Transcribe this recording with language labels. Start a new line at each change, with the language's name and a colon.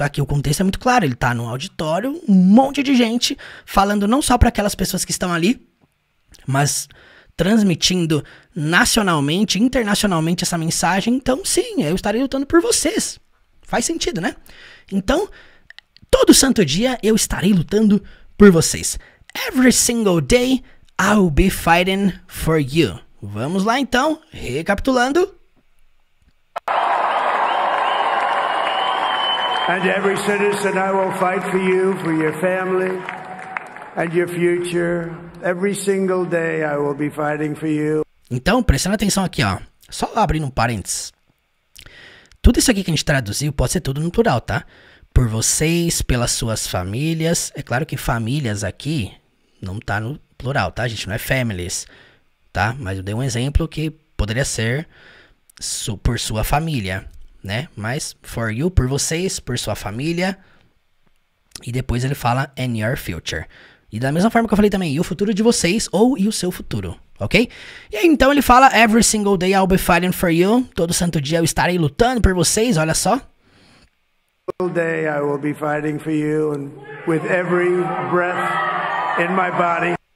Portuguese: Aqui o contexto é muito claro. Ele tá num auditório, um monte de gente falando não só para aquelas pessoas que estão ali, mas transmitindo nacionalmente, internacionalmente essa mensagem. Então, sim, eu estarei lutando por vocês. Faz sentido, né? Então, todo santo dia eu estarei lutando por vocês.
English: Every single day I'll be fighting for you.
Portuguese: Vamos lá, então. Recapitulando.
English: And every citizen, I will fight for your family and your future. Every single day I will be fighting for you.
Portuguese: Então, prestando atenção aqui, ó. Só abrindo um parênteses. Tudo isso aqui que a gente traduziu pode ser tudo no plural, tá? Por vocês, pelas suas famílias. É claro que famílias aqui não tá no plural, tá, gente? Não é families, tá? Mas eu dei um exemplo que poderia ser por sua família, né? Mas
English: for you,
Portuguese: por vocês, por sua família. E depois ele fala
English: and your future.
Portuguese: E da mesma forma que eu falei também, e o futuro de vocês ou e o seu futuro, ok? E aí então ele fala,
English: every single day I'll be fighting for you.
Portuguese: Todo santo dia eu estarei lutando por vocês, olha só.
English: Every single day I will be fighting for you and with every breath in my body.